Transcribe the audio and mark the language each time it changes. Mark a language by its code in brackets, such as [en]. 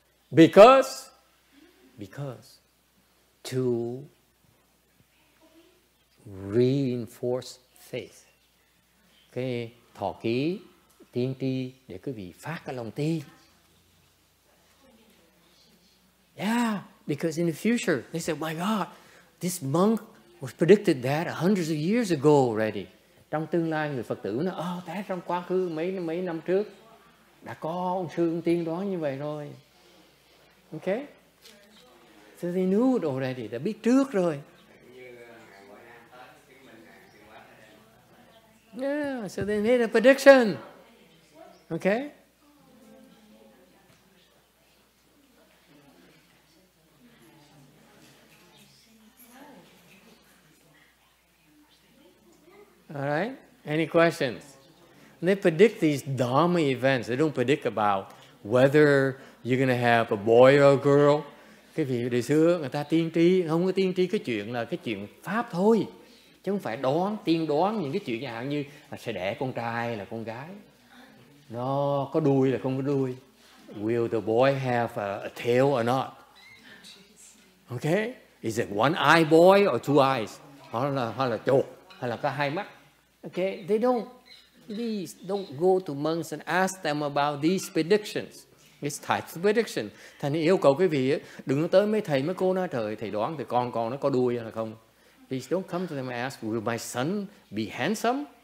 [en] Because to reinforce faith. Okay. [vi] Thọ ký, tiên tri để quý vị phát cái lòng tin. [en] Yeah. Because in the future, they said, my God, this monk was predicted that hundreds of years ago already. [vi] Trong tương lai, người Phật tử nói, oh, that trong quá khứ, mấy năm trước, đã có ông sư, ông tiên đoán như vậy rồi. Okay? [en] So they knew it already, [vi] đã biết trước rồi. [en] Yeah, so they made a prediction. Okay? All right. Any questions? They predict these Dharma events. They don't predict about whether you're going to have a boy or a girl. [vi] Cái vị đời xưa người ta tiên tri, không có tiên tri cái chuyện là cái chuyện pháp thôi, chứ không phải đoán, tiên đoán những cái chuyện hạn như là sẽ đẻ con trai là con gái. Nó có đuôi là không có đuôi. [en] Will the boy have a tail or not? Okay? Is it one eye boy or two eyes? [vi] Hoặc là chột. Hay là có hai mắt. [en] Okay, they don't. Please don't go to monks and ask them about these predictions. It's type of prediction. [vi] Thành yêu cầu quý vị ấy, đừng tới mấy thầy mấy cô nói trời thầy đoán thì con nó có đuôi hay là không. [en] Please don't come to them and ask, will my son be handsome?